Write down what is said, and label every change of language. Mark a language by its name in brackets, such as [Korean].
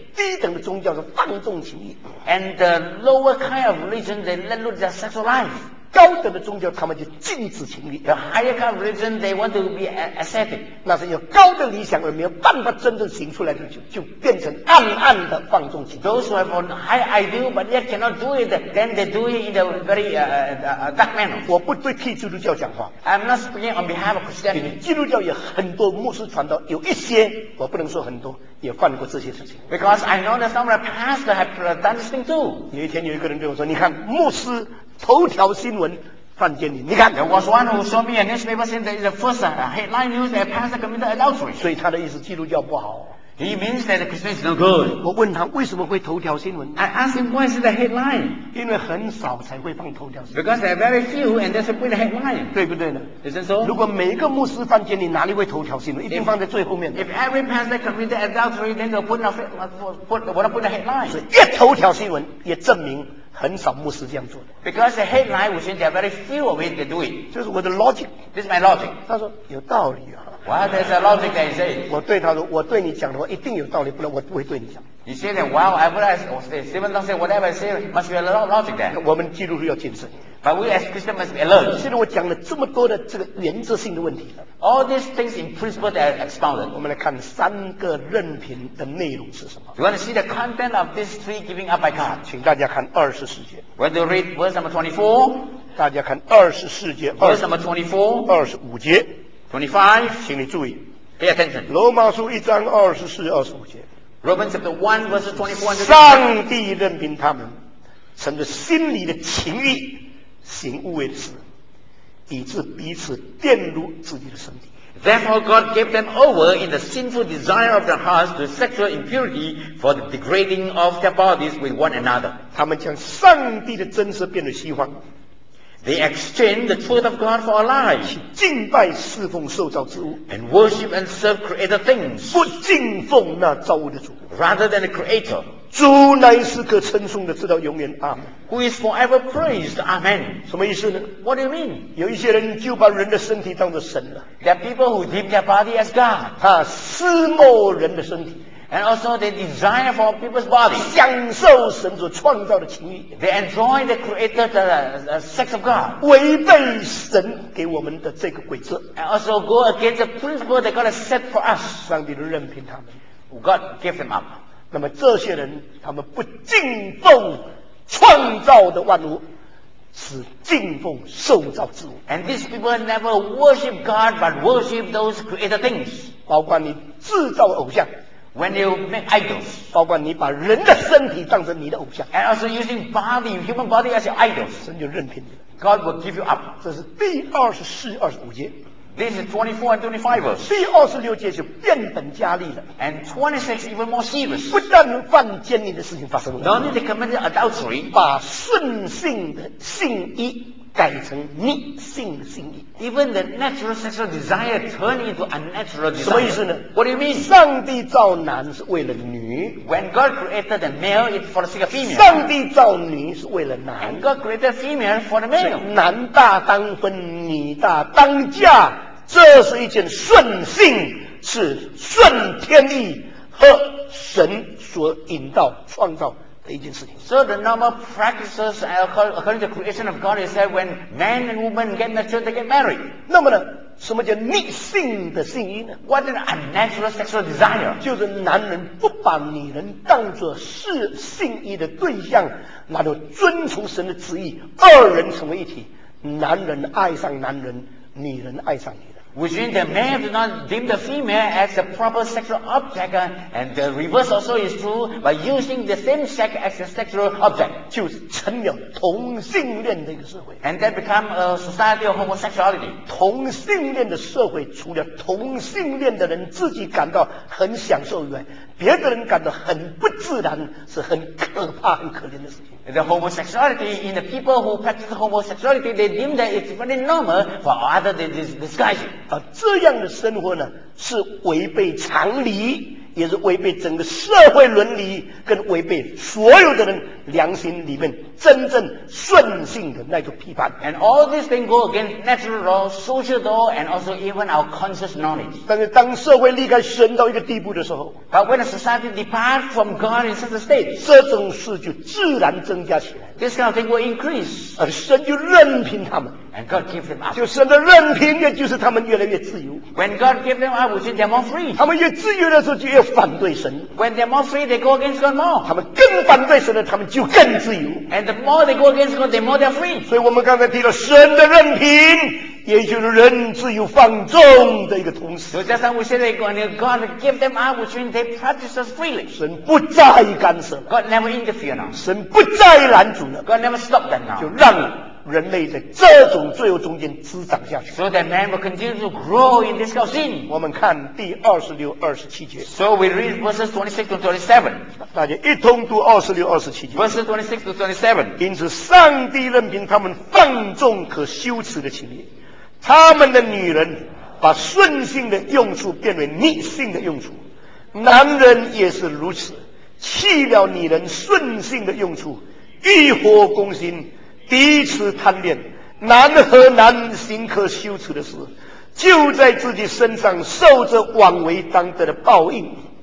[Chinese] 低等的宗教是放纵情欲。 [English] And the lower kind of religion, they let loose their sexual life. [Chinese] 高等的宗教他们就禁止情欲。 [English] The higher kind of religion, they want to be ascetic. [Chinese] 那是有高的理想而没有办法真正行出来的，就变成暗暗的放纵情欲。 [English] Those who have a high ideal, but yet cannot do it, then they do it in a very dark manner. [Chinese] 我不对替基督教讲话。 [English] I'm not speaking on behalf of Christianity. [Chinese] 基督教有很多牧师传道，有一些，我不能说很多，也犯过这些事情。 [English] Because I know that some of the pastors have done this thing too. [Chinese] 有一天有一个人对我说，你看牧师头条新闻犯奸淫，你看。 [English] There was one who saw me a newspaper saying that is the first headline news that pastor committed adultery. [Chinese] 所以他的意思，基督教不好。 [English] He means that the Christian is not good. [Chinese] 我问他为什么会头条新闻。 [English] I ask him why is the headline. [Chinese] 因为很少才会放头条新闻。 [English] Because there are very few and that's a good headline. [Chinese] 对不对呢 [English] ？Isn't so? [Chinese] 如果每一个牧师犯奸，你哪里会头条新闻？一定放在最后面。 [English] If every pastor committed adultery, then they'll put the headline. [Chinese] 所以一头条新闻也证明。很少牧师这样做的。 [English] Because the headline would say there are very few of it to do it. [Chinese] 就是我的 logic. [English] This is my logic. [Chinese] 他说有道理啊。 [English] Well, there's a logic that he says. [Chinese] 我对他说，我对你讲的话一定有道理，不然我不会对你讲。 [English] He said that while ever I say, Stephen don't say whatever I say, must be a lot of logic there. [Chinese] 我们基督徒要谨慎。 [English] But we as Christians must be alert. [Chinese] 现在我讲了这么多的这个原则性的问题。 [English] All these things in principle that are expounded. [Chinese] 我们来看三个任凭的内容是什么。 [English] You want to see the content of these three giving up by God? [Chinese] 请大家看二十四节。 [English] When you read verse number 24, [Chinese] 大家看二十四节。 [English] Verse number 24, [Chinese] 二十五节。 [English] 25, [Chinese] 请你注意。 [English] Pay attention. [Chinese] 罗马书一章二十四、二十五节。 [English] Romans chapter 1, verse 24. [Chinese] 上帝任凭他们，存着心里的情欲。行无为的事，以致彼此玷污自己的身体。 [English] Therefore, God gave them over in the sinful desire of their hearts to sexual impurity for the degrading of their bodies with one another. [Chinese] 他们将上帝的真实变为虚幻。 [English] They exchanged the truth of God for a lie. [Chinese] 去敬拜侍奉受造之物。 [English] And worship and serve created things. [Chinese] 不敬奉那造物的主。 [English] Rather than the Creator. [Chinese] 主乃是可称颂的，直到永远。阿门。 [English] Who is forever praised? Amen. [Chinese] 什么意思呢？ [English] What do you mean? [Chinese] 有一些人就把人的身体当作神了。 [English] There are people who deem their body as God. [Chinese] 他私慕人的身体。 [English] And also they desire for people's body. [Chinese] 享受神所创造的情欲。 [English] They enjoy the creator, the sex of God. [Chinese] 违背神给我们的这个规则。 [English] And also go against the principle that God has set for us. [Chinese] 上帝任凭他们。 [English] God gave them up. [Chinese] 那么这些人，他们不敬奉创造的万物，是敬奉受造之物。 [English] And these people never worship God, but worship those created things. [Chinese] 包括你制造偶像。 [English] When you make idols, [Chinese] 包括你把人的身体当成你的偶像。 [English] And also using body, human body as your idols. [Chinese] 神就任凭你。 [English] God will give you up. [Chinese] 这是第二十四、二十五节。 [English] This is 24 and 25 verse. [Chinese] 第二十六节就变本加厉了。 [English] And 26 even more serious. [Chinese] 不但犯奸淫的事情发生了。 [English] Not only they committed adultery. [Chinese] 把顺性的性欲改成逆性的性欲。 [English] Even the natural sexual desire turned into unnatural desire. [Chinese] 什么意思呢？ [English] What do you mean? [Chinese] 上帝造男是为了女。 [English] When God created the male, it's for the sake of female. [Chinese] 上帝造女是为了男。 [English] And God created female for the male. [Chinese] 男大当婚，女大当嫁，这是一件顺性，是顺天意和神所引导创造。 [English] So the normal practices according to the creation of God is that when man and woman get matured, they get married. [Chinese] 那么呢，什么叫逆性的性欲呢？ [English] What an unnatural sexual desire? [Chinese] 就是男人不把女人当作是性欲的对象，然后遵从神的旨意，二人成为一体，男人爱上男人，女人爱上女人。 [English] Which means the man does not deem the female as a proper sexual object, and the reverse also is true by using the same sex as a sexual object. [Chinese] 就是成了同性恋的一个社会。 [English] And that become a society of homosexuality. [Chinese] 同性恋的社会，除了同性恋的人自己感到很享受以外，别的人感到很不自然，是很可怕、很可怜的事情。 [English] The homosexuality in the people who practice homosexuality, they deem that it's very normal for other than this discussion. [Chinese] 啊，这样的生活呢，是违背常理，也是违背整个社会伦理，跟违背所有的人良心里面真正顺性的那种批判。 [English] And all these things go against natural law, social law, and also even our conscious knowledge. [Chinese] 但是当社会离开神到一个地步的时候 [English] ，But when a society departs from God in such a state, [Chinese] 这种事就自然增加起来。 [English] This kind of thing will increase. [Chinese] 而神就任凭他们。 [English] And God gave them up. [Chinese] 就神的任凭，也就是他们越来越自由。 [English] When God gave them up, they are more free. [Chinese] 他们越自由的时候，就越反对神。 [English] When they are more free, they go against God more. [Chinese] 他们更反对神了，他们就更自由。 [English] And the more they go against God, the more they are free. [Chinese] 所以我们刚才提到神的任凭，也就是人自由放纵的一个同时。 [English] So just like we said, when God gave them up, which means they practice us freely. [Chinese] 神不再干涉。 [English] God never interfere now. [Chinese] 神不再拦阻了。 [English] God never stop them now. [Chinese] 就让了。人类在这种罪恶中间滋长下去。 [English] So that man will continue to grow in this sin. [Chinese] 我们看第二十六、二十七节。 [English] So we read verses 26 to 27. [Chinese] 大家一通读二十六、二十七节。 [English] Verses 26 to 27. [Chinese] 因此，上帝任凭他们放纵可羞耻的情欲，他们的女人把顺性的用处变为逆性的用处，男人也是如此，弃了女人顺性的用处，欲火攻心，彼此贪恋，男和男行可羞耻的事，就在自己身上受着枉为当得的报应。